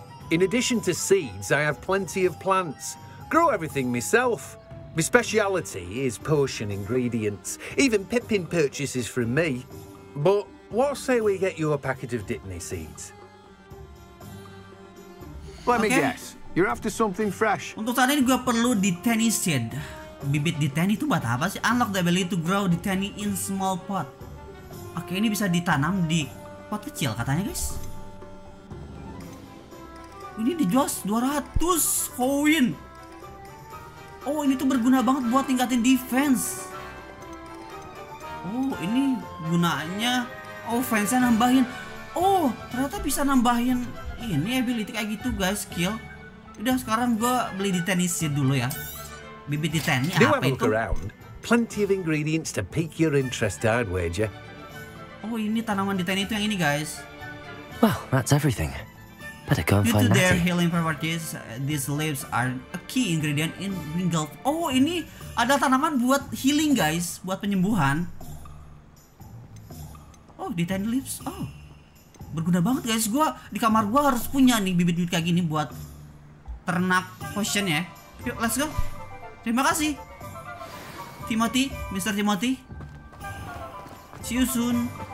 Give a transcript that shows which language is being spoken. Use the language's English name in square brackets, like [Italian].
[English] In addition to seeds, I have plenty of plants. Grow everything myself. My speciality is potion ingredients. Even Pippin purchases from me. But what say we get you a packet of Dittany seeds? Let me guess. You're after something fresh. [Indonesian] Untuk saat ini gue perlu Dittany seed. Bibit Dittany itu buat apa sih? [English] Unlock the ability to grow Dittany in small pot. [Indonesian] Oke, ini bisa ditanam di pot kecil katanya, guys. Ini dijual 200 koin. Oh, ini tuh berguna banget buat tingkatin defense. Oh, ini gunanya offense-nya nambahin. Oh, ternyata bisa nambahin ini ability kayak gitu guys, skill. Udah sekarang gua beli di tennis seed dulu ya. Bibit di tennis apa [English] Do I look around? Plenty of ingredients to pique your interest, I'd wager. [Indonesian] Oh, ini tanaman di tennis itu yang ini guys. [English] Well, that's everything. Better go and find Natty. Due to their healing properties, these leaves are a key ingredient in Wingle. [Indonesian] Oh, ini ada tanaman buat healing guys, buat penyembuhan. Oh, di tennis leaves. Oh, berguna banget guys, gua di kamar gua harus punya nih bibit-bibit kayak gini buat ternak potion ya. Yuk, [English] let's go. [Indonesian] Terima kasih Timothy, Mr. Timothy. [English] See you soon.